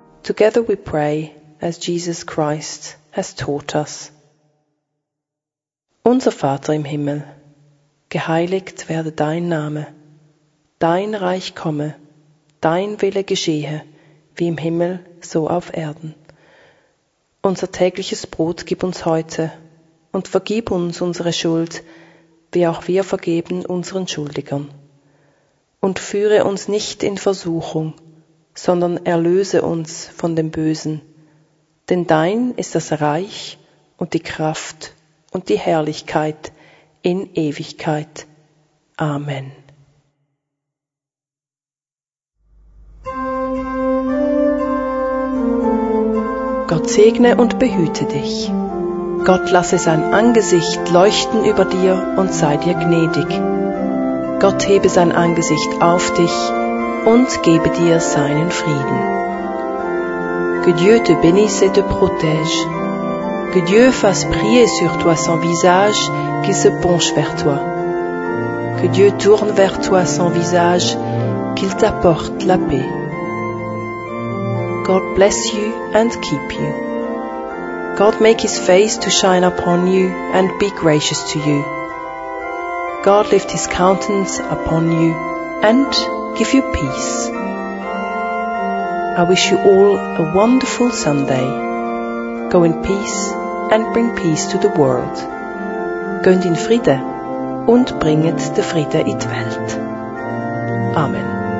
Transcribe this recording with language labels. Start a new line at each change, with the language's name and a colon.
English: together we pray as Jesus Christ has taught us.
German: Unser Vater im Himmel, geheiligt werde dein Name, dein Reich komme, dein Wille geschehe, wie im Himmel, so auf Erden. Unser tägliches Brot gib uns heute und vergib uns unsere Schuld, wie auch wir vergeben unseren Schuldigern. Und führe uns nicht in Versuchung, sondern erlöse uns von dem Bösen. Denn dein ist das Reich und die Kraft und die Herrlichkeit in Ewigkeit. Amen. Gott segne und behüte dich. Gott lasse sein Angesicht leuchten über dir und sei dir gnädig. Gott hebe sein Angesicht auf dich und gebe dir seinen Frieden.
French: Que Dieu te bénisse et te protège. Que Dieu fasse briller sur toi son visage qui se penche vers toi. Que Dieu tourne vers toi son visage, qu'il t'apporte la paix.
English: God bless you and keep you. God make his face to shine upon you and be gracious to you. God lift his countenance upon you and give you peace. I wish you all a wonderful Sunday. Go in peace and bring peace to the world.
German: Gönnt in Friede und bringet der Friede in die Welt. Amen.